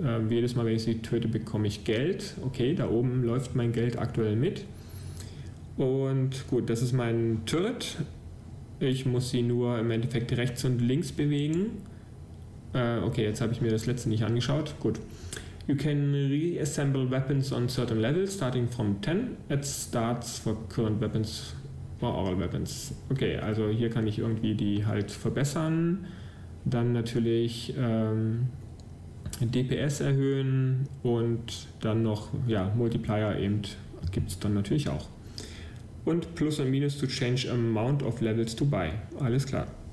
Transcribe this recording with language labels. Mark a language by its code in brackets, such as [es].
[de] Jedes Mal, wenn ich sie töte, bekomme ich Geld. Okay, da oben läuft mein Geld aktuell mit. Und gut, das ist mein Turret. Ich muss sie nur im Endeffekt rechts und links bewegen. Okay, jetzt habe ich mir das letzte nicht angeschaut. Gut. [en] You can reassemble weapons on certain levels, starting from 10. It starts for current weapons or all weapons. [de] Okay, also hier kann ich irgendwie die halt verbessern. Dann natürlich DPS erhöhen und dann noch, ja, Multiplier eben gibt es dann natürlich auch. [en] Und Plus und Minus to change amount of levels to buy. [de] Alles klar.